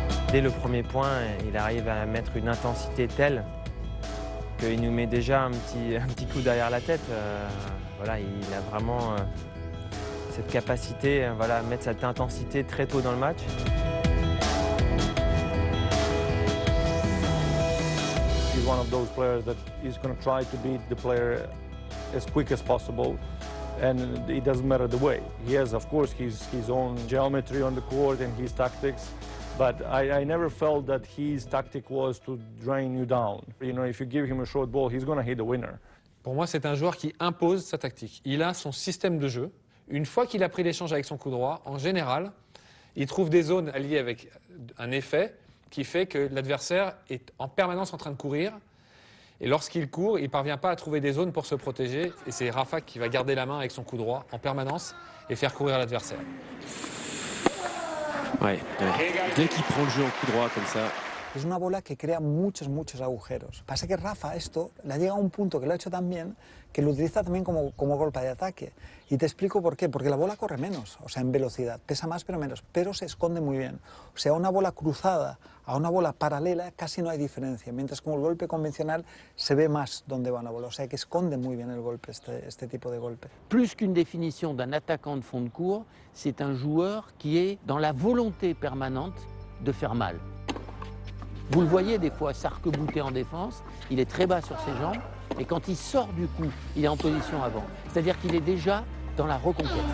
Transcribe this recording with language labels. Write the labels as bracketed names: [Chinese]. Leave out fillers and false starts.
[French] Dès le premier point, il arrive à mettre une intensité telle qu'il nous met déjà un petit coup derrière la tête. Voilà, il a vraiment cette capacité à mettre cette intensité très tôt dans le match. [English] He's one of those players that is going to try to beat the player as quick as possible, and it doesn't matter the way. He has, of course, his own geometry on the court and his tactics. But I never felt that his tactic was to drain you down. You know, if you give him a short ball, he's going to hit the winner. [French] Pour moi, c'est un joueur qui impose sa tactique. Il a son système de jeu. Une fois qu'il a pris l'échange avec son coup droit, en général, il trouve des zones alliées avec un effet qui fait que l'adversaire est en permanence en train de courir. Et lorsqu'il court, il ne parvient pas à trouver des zones pour se protéger. Et c'est Rafa qui va garder la main avec son coup droit en permanence et faire courir l'adversaire. Ouais. Dès qu'il prend le jeu en coup droit comme ça. [Spanish] Es una bola que crea muchos muchos agujeros. Pasa que Rafa esto le ha llegado a un punto que lo ha hecho tan bien que lo utiliza también como golpe de ataque. Y te explico por qué. Porque la bola corre menos, o sea, en velocidad pesa más pero menos, pero se esconde muy bien. O sea, una bola cruzada a una bola paralela casi no hay diferencia. Mientras como el golpe convencional se ve más dónde va la bola. O sea, que esconde muy bien el golpe este tipo de golpe. [French] Plus qu'une définition d'un attaquant de fond de cours, c'est un joueur qui est dans la volonté permanente de faire mal. Vous le voyez des fois s'arc-bouter en défense, il est très bas sur ses jambes, et quand il sort du coup, il est en position avant. C'est-à-dire qu'il est déjà dans la reconquête.